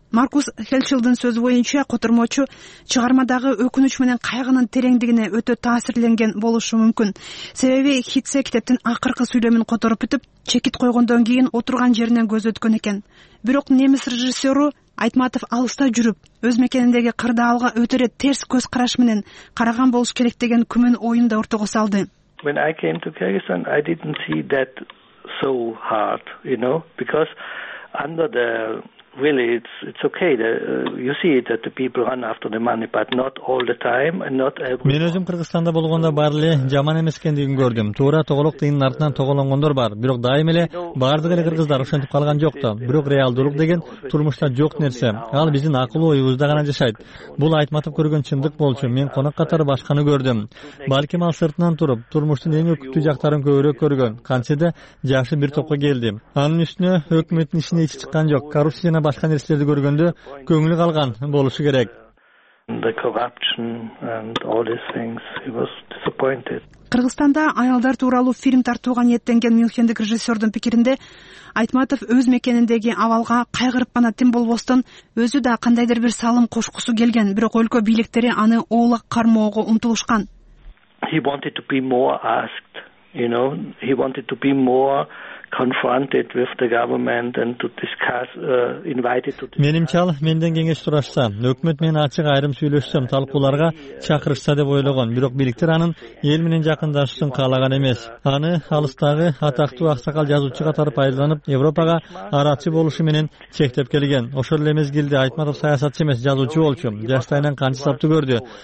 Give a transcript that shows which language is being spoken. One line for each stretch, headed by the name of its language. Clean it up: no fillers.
Kyrgyz: Маркус Хелчилдин сөзү боюнча котормочу чыгармадагы өкүнүч менен кайгынын тереңдигине өтө таасирленген болушу мүмкүн. Себеби Хитце китептин акыркы сүйлөмүн которуп бүтүп, чекит койгондон кийин отурган жеринен көз өткөн экен. Бирок немис режиссеру Айтматов алыста жүрүп, өз мекениндеги кырдаалга өтөрө терс көз караш менен караган болуш керек деген күмөн оюн да ортого салды.
English: When I came to Kyrgyzstan, I didn't see that so hard, you know, because under the really it's okay that you see that the people run after the money, but not all the time and not every.
Kyrgyz: Мен өзүм Кыргызстанда болгондо баары эле жаман эмес экендигин көрдүм. Туура тоголок тыйынын артынан тоголонгондор бар, бирок дайым эле баардык эле кыргыздар ошентип калган жок да. Бирок реалдуулук деген турмушта жок нерсе, ал биздин акыл оюбузда гана жашайт. Бул Айтматов көргөн чындык болчу. Мен конок катары башканы көрдүм. Балким ал сыртынан туруп турмуштун эң өкүттүү жактарын көбүрөөк көргөн, кантсе да жакшы бир топко келдим. Анын үстүнө өкмөттүн ишине ичи чыккан жок, коррупция башка нерселерди көргөндө көңүлү калган болушу керек. Кыргызстанда аялдар тууралуу фильм тартууга ниеттенген мюнхендик режиссердун пикиринде Айтматов өз мекениндеги абалга кайгырып гана тим болбостон өзү да кандайдыр бир салым кошкусу келген, бирок өлкө бийликтери аны оолак кармоого умтулушкан.
English: He wanted to be more asked, you know, he wanted to be more confronted with the government and to discuss invited to.
Kyrgyz: Менимче ал менден кеңеш сурашса, өкмөт менен ачык айрым сүйлөшсөм, талкууларга чакырышса деп ойлогон. Бирок бийликтер анын эл менен жакындашуусун каалаган эмес. Аны алыстагы атактуу аксакал жазуучу катары пайдаланып, Европага аратчы болушу менен чектеп келген. Ошол эле мезгилде Айтматов саясатчы эмес, жазуучу болчу. Жаштайынан канчы сапты көрдү.